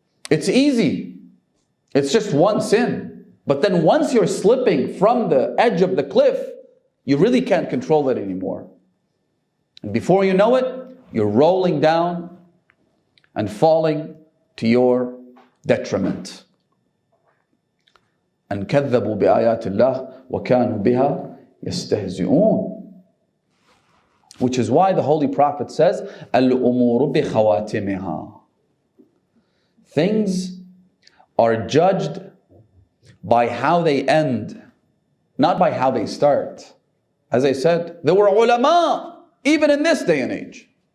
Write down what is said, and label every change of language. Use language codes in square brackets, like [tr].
[en] It's easy. It's just one sin. But then once you're slipping from the edge of the cliff, you really can't control it anymore. And before you know it, you're rolling down and falling to your detriment. [ar] أن كذبوا بآيات الله وكانوا بها يستهزئون. [en] Which is why the Holy Prophet says, [ar] الأمور بخواتمها. [en] Things are judged by how they end, not by how they start. As I said, there were ulama, even in this day and age.